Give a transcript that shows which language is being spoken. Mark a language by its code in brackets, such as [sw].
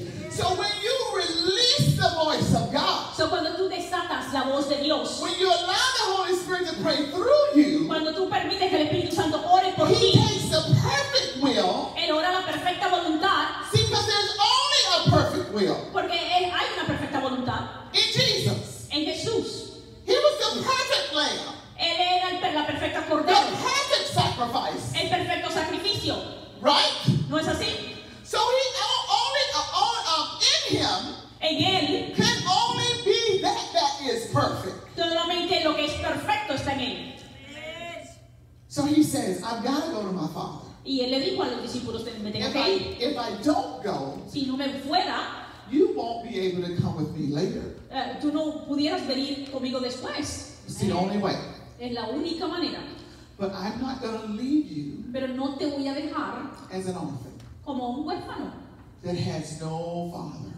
[en] So when you release the voice of God, [es] so cuando tú desatas la voz de Dios, [en] when you allow the Holy Spirit to pray through you, [es] cuando tú permites que el Espíritu Santo ore por [en] he [es] ti, [en] takes the perfect will. [es] Él ora la perfecta voluntad. [en] See, because there's only a perfect will. [es] Porque él, hay una perfecta voluntad. [en] In Jesus. [es] En Jesús. [en] He was the perfect lamb. [es] Él era la perfecta cordero. [en] The perfect sacrifice. [es] El perfecto sacrificio. [en] Right? [es] ¿No es así? [en] So he only in him [es] en él, [en] can only be that is perfect. [es] Solamente lo que es perfecto está en él. [en] So he says, I've got to go to my Father. [es] Y él le dijo a los discípulos, me tengo [en] if [es] que [en] I, [es] ir. [en] If I don't go, [es] si no me fuera, [en] you won't be able to come with me later. [es] Tú no pudieras venir conmigo después. [en] It's the only way. [es] Es la única manera. [en] But I'm not going to leave you. [es] Pero no te voy a dejar [en] as an orphan. [es] Como un huérfano. [en] That has no father.